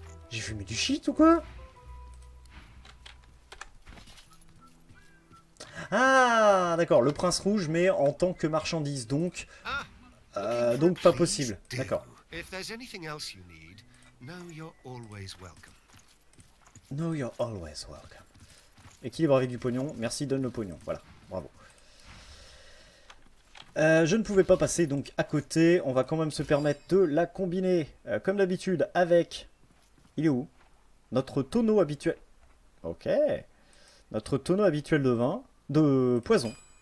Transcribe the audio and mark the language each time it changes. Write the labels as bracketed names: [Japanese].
[French] J'ai fumé du shit ou quoi? Ah d'accord, le prince rouge mais en tant que marchandise, donc donc pas possible. D'accord. [English] If there's anything else you need, know you're always welcome. Know you're always welcome. [French] Équilibre avec du pognon, merci, donne le pognon. Voilà, bravo. Je ne pouvais pas passer donc à côté, on va quand même se permettre de la combiner, comme d'habitude, avec... Il est où? Notre tonneau habituel... Ok. Notre tonneau habituel de vin, de poison.